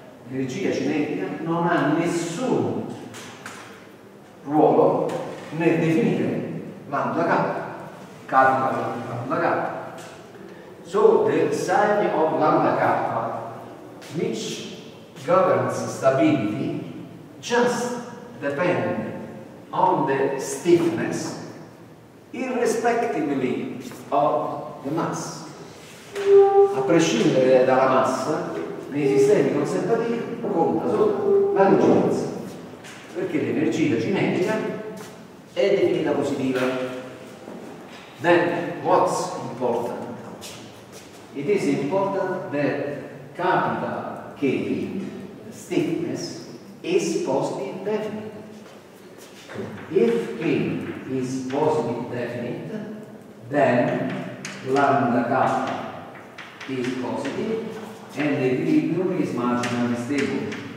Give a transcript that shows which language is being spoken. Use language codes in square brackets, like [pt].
[it] L'energia cinetica non ha nessun ruolo nel definire lambda k, calcola lambda k. [en] So the sign of lambda k, which governance stability, just depend on the stiffness irrespectively of the mass. [it] A prescindere dalla massa, nei sistemi conservativi conta solo la rigidezza, perché l'energia cinetica è definita positiva. [en] Then what's important? It is important that capital K stiffness is positive definite. If K is positive definite, then lambda K is positive and the equilibrium is marginally stable.